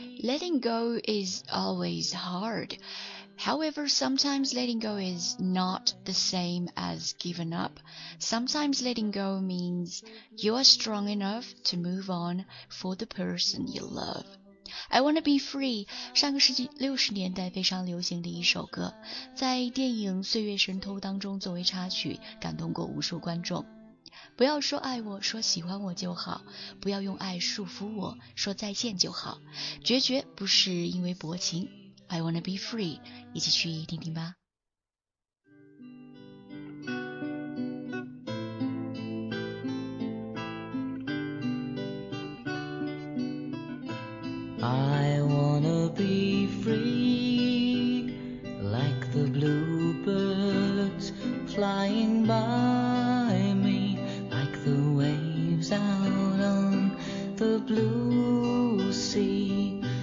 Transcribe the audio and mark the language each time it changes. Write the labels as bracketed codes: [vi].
[en] Letting go is always hard. However, sometimes letting go is not the same as giving up. Sometimes letting go means you are strong enough to move on for the person you love. [zh] I wanna be free, 上个世纪60年代非常流行的一首歌，在电影《岁月神偷》当中作为插曲，感动过无数观众。不要说爱我，说喜欢我就好，不要用爱束缚我，说再见就好，决绝不是因为薄情。 I wanna be free，一起去听听吧。 [en] I wanna be free like the bluebirds flying by me, like the waves out on the blue sea.